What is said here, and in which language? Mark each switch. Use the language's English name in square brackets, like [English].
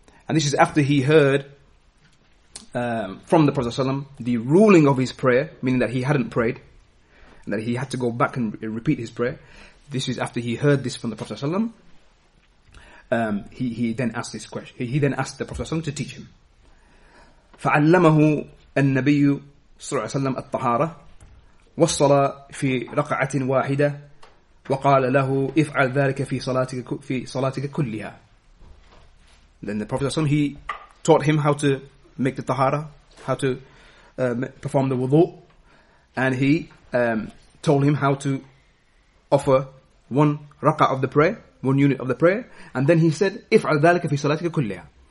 [English] And this is after he heard from the Prophet ﷺ the ruling of his prayer, meaning that he hadn't prayed, and that he had to go back and repeat his prayer. This is after he heard this from the Prophet ﷺ. He then asked this question. He then asked the Prophet ﷺ to teach him. [Arabic] فَعَلَّمَهُ النَّبِيُّ صَلَّى اللَّهُ عَلَيْهِ وَسَلَّمَ الطَّهَارَةَ والصلاة في رقعة واحدة وقال له افعل ذلك في صلاتك في صلاتك كلها. [English] Then the Prophet ﷺ, he taught him how to make the tahara, how to perform the wudu, and he told him how to offer one raqa of the prayer, one unit of the prayer, and then he said [Arabic] افعل ذلك في صلاتك كلها.